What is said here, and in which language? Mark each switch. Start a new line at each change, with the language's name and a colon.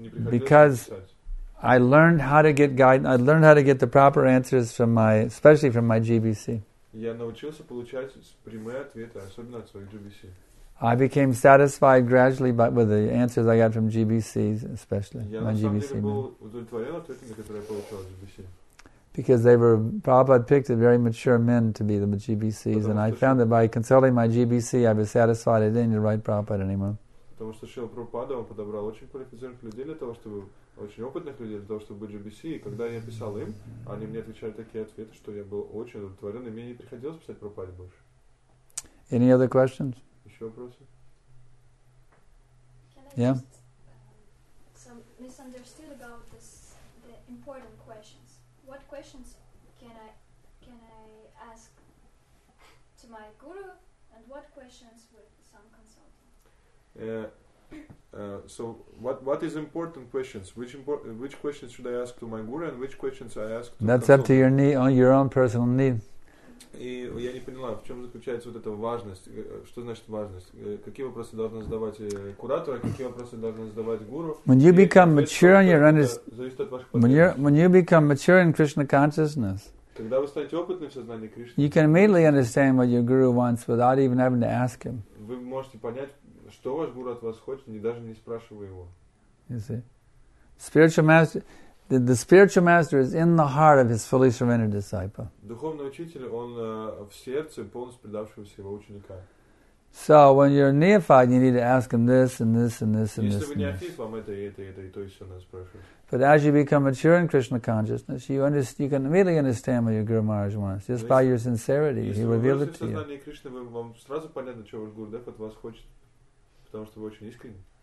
English: Because I learned how to get guidance, I learned how to get the proper answers from my GBC.
Russian: Я научился получать прямые ответы, особенно от своих GBC.
English: I became satisfied gradually but with the answers I got from GBC, especially.
Russian: Я на GBC самом деле был удовлетворен ответами, которые я получал от GBC.
English: Because they were, Prabhupada picked the very mature men to be the GBCs, and I found that by consulting my GBC, I was satisfied I didn't need to write Prabhupada anymore.
Russian: Потому что Шрила Прабхупада подобрал очень квалифицированных людей для того, чтобы очень опытных людей для того, чтобы быть GBC. И когда я писал им, они мне отвечали такие ответы, что я был очень удовлетворен, и мне не приходилось писать Прабхупаде больше.
English: Any other questions?
Russian: Еще вопросы?
English: Yeah. Some misunderstood about this, the important questions. What questions can I ask to my guru, and what questions with some consultant? So what is important questions? Which questions should I ask to my guru, and which questions I ask to That's up to your need, on your own personal need.
Russian: И я не поняла, в чем заключается вот эта важность? Что значит важность? Какие вопросы должны задавать куратор, какие вопросы должны задавать гуру?
English: When you become mature in your consciousness,
Russian: когда вы станете опытным в сознании Кришны,
English: you can immediately understand what your guru wants without even having to ask him.
Russian: Вы можете понять, что ваш гуру от вас хочет, не даже не спрашивая его.
English: You see? Spiritual master. The spiritual master is in the heart of his fully surrendered disciple.
Russian: Духовный учитель, он в сердце полностью предавшегося его ученика.
English: So when you're neophyte, you need to ask him this and this and this and this.
Russian: Если вы неофит, вам это и то еще надо спрашивать.
English: But as you become mature in Krishna consciousness, you can immediately understand what your Guru Maharaj wants. Just by your sincerity, he revealed it to you.
Russian: Если вы в сознании Кришны, вам сразу понятно, что ваш Гурдев от вас хочет, потому что вы очень искренне.